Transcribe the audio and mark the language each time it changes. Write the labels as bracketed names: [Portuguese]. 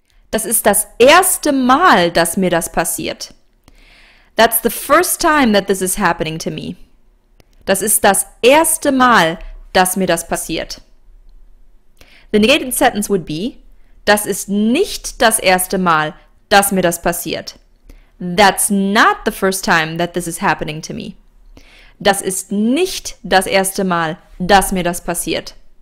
[German] Das ist das erste Mal, dass mir das passiert. [English] That's the first time that this is happening to me. [German] Das ist das erste Mal, dass mir das passiert. [English] The negated sentence would be, [German] das ist nicht das erste Mal, dass mir das passiert. [English] That's not the first time that this is happening to me. [German] Das ist nicht das erste Mal, dass mir das passiert.